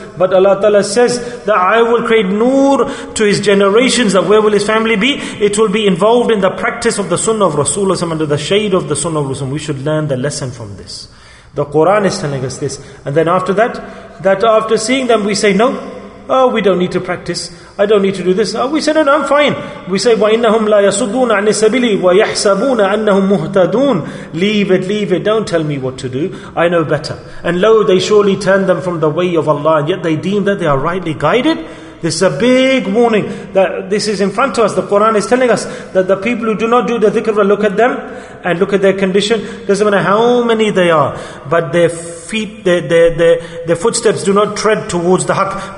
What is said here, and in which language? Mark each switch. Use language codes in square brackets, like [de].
[en] But Allah Ta'ala says that I will create noor to his generations. That where will his family be? It will be involved in the practice of the sunnah of Rasulullah, under the shade of the sunnah of Rasulullah. We should learn the lesson from this. The Quran is telling us this. And then after that, that after seeing them, we say, no, oh, we don't need to practice. I don't need to do this. Oh, we say, no, no, I'm fine. We say, [ar] وَإِنَّهُمْ لَا يَصُدُّونَ عَنِ السَّبِيلِ وَيَحْسَبُونَ أَنَّهُمْ مُهْتَدُونَ. [en] Leave it, leave it. Don't tell me what to do. I know better. And lo, they surely turn them from the way of Allah. And yet they deem that they are rightly guided. This is a big warning that this is in front of us. The Quran is telling us that the people who do not do the dhikr, look at them and look at their condition. Doesn't matter how many they are, but their feet, their footsteps do not tread towards the haq.